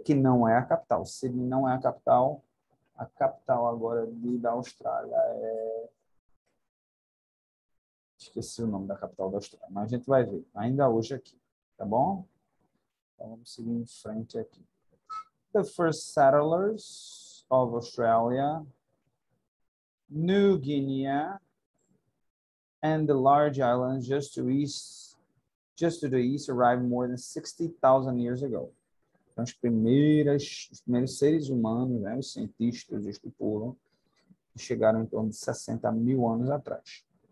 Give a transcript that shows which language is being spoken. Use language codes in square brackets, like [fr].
[pt] Que não é a capital. Sydney não é a capital. A capital agora da Austrália é. Esqueci o nome da capital da Austrália, mas a gente vai ver ainda hoje aqui. Tá bom? Então vamos seguir em frente aqui. [en] The first settlers of Australia, New Guinea, and the large islands just to the east arrived more than 60,000 years ago. [pt] Então, os primeiros seres humanos, né, os cientistas estipulam, chegaram em torno de 60 mil anos atrás.